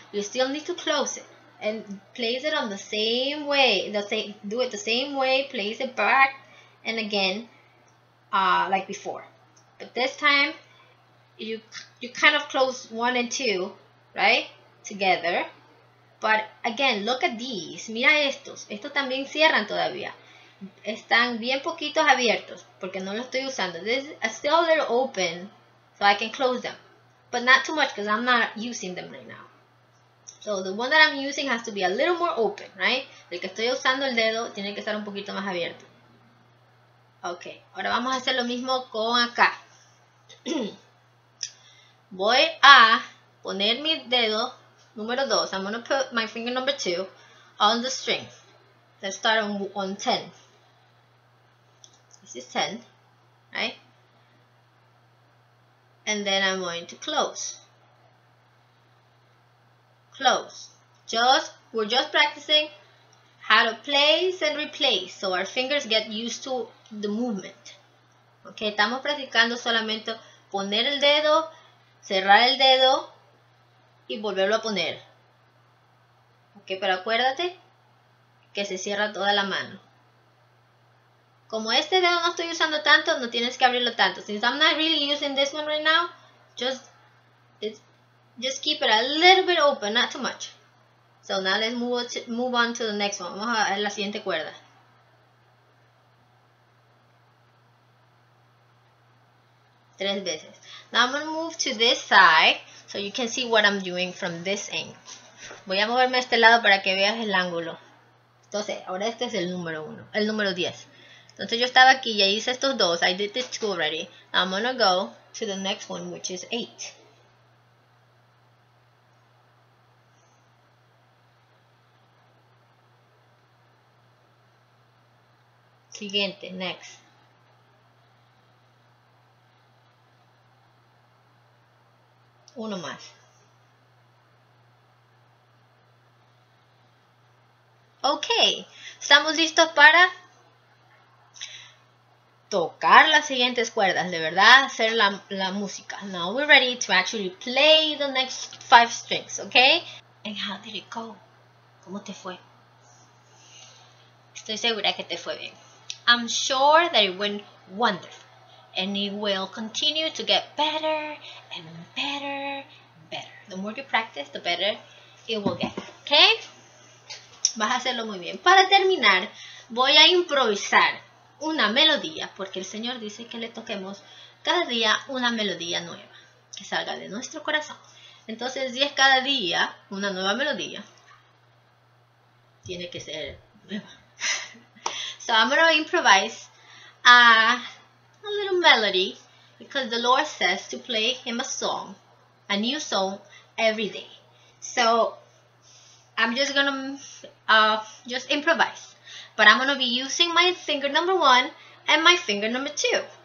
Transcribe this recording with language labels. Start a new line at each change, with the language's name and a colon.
English: You still need to close it. And place it on the same way. Do it the same way. Place it back and again. Like before, but this time you kind of close 1 and 2 right together. But again, look at these.
Spanish: Mira estos también cierran todavía, están bien poquitos abiertos porque no los estoy usando.
English: This is still a little open, so I can close them, but not too much because I'm not using them right now. So the one that I'm using has to be a little more open, right?
Spanish: El que estoy usando, el dedo, tiene que estar un poquito más abierto. Ok, ahora vamos a hacer lo mismo con acá. Voy a poner mi dedo número 2.
English: I'm going to put my finger number 2 on the string. Let's start on 10. This is 10, right? And then I'm going to close. Close. We're just practicing how to place and replace so our fingers get used to the movement.
Spanish: Ok, estamos practicando solamente poner el dedo, cerrar el dedo y volverlo a poner. Ok, pero acuérdate que se cierra toda la mano. Como este dedo no estoy usando tanto, no tienes que abrirlo tanto.
English: Since I'm not really using this one right now, just keep it a little bit open, not too much. So now let's move on to the next one.
Spanish: Vamos a ver la siguiente cuerda. Tres veces.
English: Now I'm going to move to this side so you can see what I'm doing from this angle.
Spanish: Voy a moverme a este lado para que veas el ángulo. Entonces, ahora este es el número 1, el número 10. Entonces yo estaba aquí y hice estos dos.
English: I did this 2 already. Now I'm going to go to the next one, which is 8.
Spanish: Siguiente, next. Uno más. Ok, estamos listos para tocar las siguientes cuerdas, de verdad hacer la música.
English: Now we're ready to actually play the next five strings, okay? And how did it go?
Spanish: ¿Cómo te fue? Estoy segura que te fue bien.
English: I'm sure that it went wonderful. And it will continue to get better and better and better. The more you practice, the better it will get, okay?
Spanish: Vas a hacerlo muy bien. Para terminar, voy a improvisar una melodía, porque el Señor dice que le toquemos cada día una melodía nueva, que salga de nuestro corazón. Entonces, 10 cada día, una nueva melodía, tiene que ser nueva.
English: So I'm going to improvise a little melody, because the Lord says to play him a song, a new song, every day. So I'm just going to just improvise. But I'm going to be using my finger number one and my finger number two.